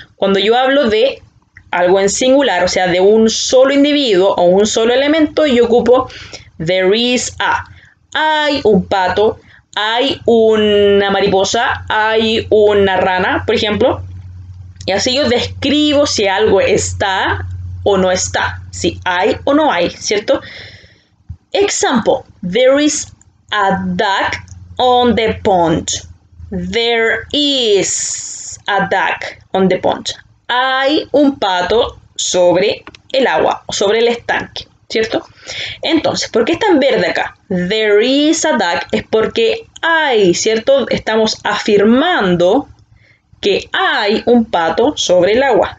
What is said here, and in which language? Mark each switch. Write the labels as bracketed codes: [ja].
[es] Cuando yo hablo de algo en singular, o sea, de un solo individuo o un solo elemento, yo ocupo [en] there is a. [es] Hay un pato, hay una mariposa, hay una rana, por ejemplo. Y así yo describo si algo está o no está, si hay o no hay, ¿cierto? [en] Example, there is a duck on the pond. There is a duck on the pond. [es] Hay un pato sobre el agua, sobre el estanque, ¿cierto? Entonces, ¿por qué está en verde acá? [en] There is a duck [es] es porque hay, ¿cierto? Estamos afirmando que hay un pato sobre el agua.